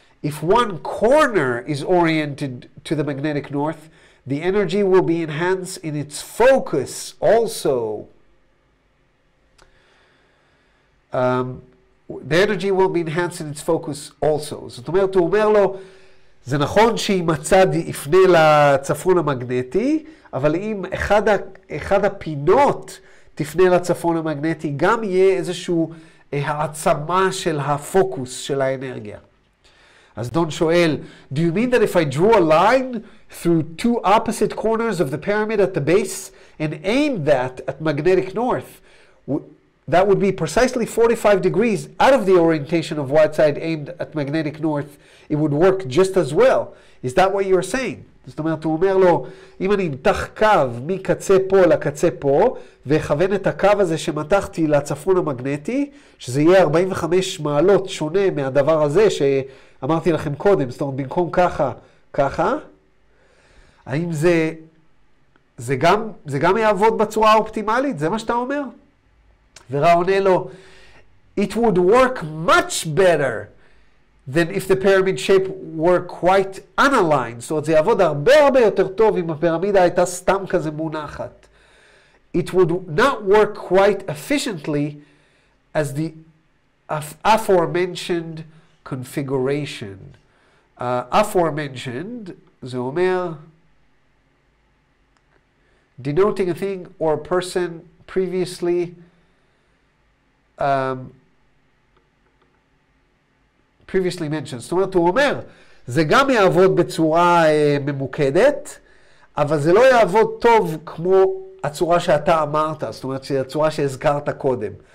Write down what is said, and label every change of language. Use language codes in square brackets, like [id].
[en] If one corner is oriented to the magnetic north, the energy will be enhanced in its focus also. The energy will be enhanced in its focus also. [he] זאת אומרת, הוא אומר לו, זה נכון שאם הצד יפנה לצפון המגנטי, אבל אם אחד הפינות תפנה לצפון המגנטי, גם יהיה איזשהו העצמה של הפוקוס של האנרגיה. אז דון שואל, [en] do you mean that if I drew a line through two opposite corners of the pyramid at the base and aimed that at magnetic north, that would be precisely 45 degrees out of the orientation of Whiteside aimed at magnetic north, it would work just as well. Is that what you're saying? [he] זאת אומרת, הוא אומר לו, אם אני אמתח קו מקצה פה לקצה פה, ואכוון את הקו הזה שמתחתי לצפון המגנטי, שזה יהיה 45 מעלות שונה מהדבר הזה שאמרתי לכם קודם, זאת אומרת, במקום ככה, ככה, האם זה, זה גם יעבוד בצורה האופטימלית? זה מה שאתה אומר? ורא עונה לו, [en] it would work much better than if the pyramid shape were quite unaligned. [he] So זה יעבוד הרבה הרבה יותר טוב אם הפירמידה הייתה סתם כזה מונחת. [en] It would not work quite efficiently as the aforementioned configuration. [he] Aforementioned, זה אומר, [en] denoting a thing or a person previously previously mentioned. [he] זאת אומרת, הוא אומר, זה גם יעבוד בצורה ממוקדת, אבל זה לא יעבוד טוב כמו הצורה שאתה אמרת, זאת אומרת, הצורה שהזכרת קודם.